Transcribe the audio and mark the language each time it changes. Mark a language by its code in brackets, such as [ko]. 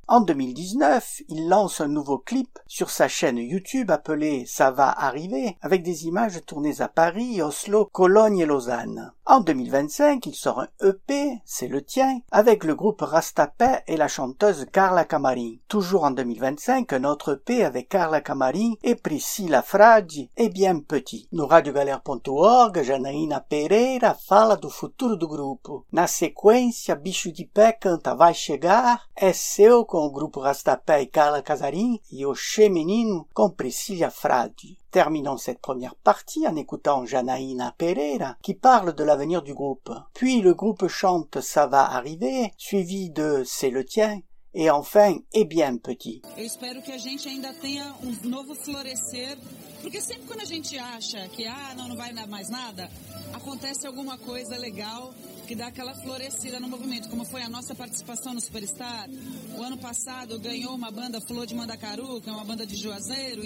[fr] En 2019, il lance un nouveau clip sur sa chaîne YouTube appelé « Ça va arriver » avec des images tournées à Paris, Oslo, Cologne et Lausanne. En 2025, il sort un EP, c'est le tien, avec le groupe Rastapé et la chanteuse Carla Camari. Toujours en 2025, un autre EP avec Carla Camari et Priscilla Fradi est bien petit. [pt] No radiogalère.org, Janaína Pereira fala do futuro do grupo. Na sequência, Bichu Di Pè canta Vai Chegar, é seu com o grupo Rastapé e Carla Casarim e O Che Menino com Priscilla Fradi. [fr] Terminons cette première partie en écoutant Janaína Pereira qui parle de l'avenir du groupe. Puis le groupe chante « Ça va arriver » suivi de « C'est le tien » et enfin « Eh bien petit ». [pt] Eu espero que a gente ainda tenha novo florescer, porque sempre quando a gente acha que ah, não vai dar mais nada, acontece alguma coisa legal que dá aquela florescida no movimento, como foi a nossa participação no Superstar. O ano passado ganhou uma banda Flor de Mandacaru, que é uma banda de Juazeiro.